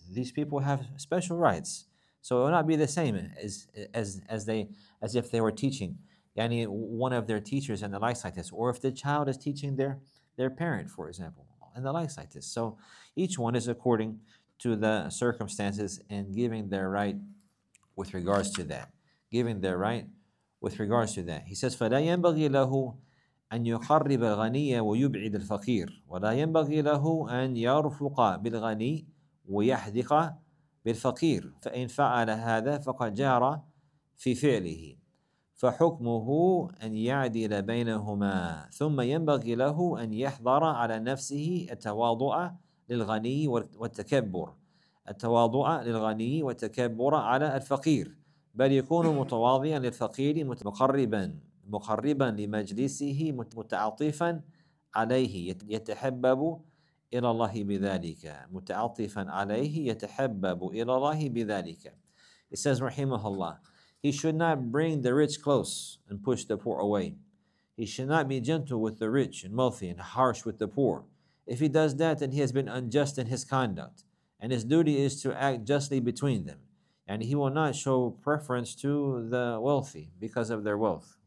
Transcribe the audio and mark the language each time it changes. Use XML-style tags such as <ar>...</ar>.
<en>These people have special rights, so it will not be the same as if they were teaching any one of their teachers and the likes like this, or if the child is teaching their parent, for example, and the likes like this. So each one is according to the circumstances and giving their right with regards to that, giving their right with regards to that.</en> <ar>He says, فَلَا يَنْبَغِي لَهُ أَنْ يُقَرِّبَ الْغَنِيَّ وَيُبْعِدَ الْفَقِيرُ وَلَا يَنْبَغِي لَهُ أَنْ يَرْفُقَ بِالْغَنِيِّ وَيَحْدِقَ بِالْفَقِيرُ فَإِنْ فَعَلَ هَذَا فَقَدْ جَارَ فِي فِعْلِهِ فَحُكْمُهُ أَنْ يَعْدِلَ بَيْنَهُمَا ثُمَّ يَنْبَغِي لَهُ أَنْ يَحْضَرَ عَلَى نَفْسِهِ التَّوَاضُعَ لِلْغَنِيِّ وَالتَّكَبُّرَ التواضع للغني والتكبر على الفقير بل يكون متواضعا للفقير مقربا لمجلسه متعاطفا عليه يتحبب إلى الله بذلك متعاطفا عليه يتحبب إلى الله بذلك.</ar> <en>It says رحمه الله, he should not bring the rich close and push the poor away. He should not be gentle with the rich and wealthy and harsh with the poor. If he does that, then he has been unjust in his conduct, and his duty is to act justly between them. And he will not show preference to the wealthy because of their wealth.</en>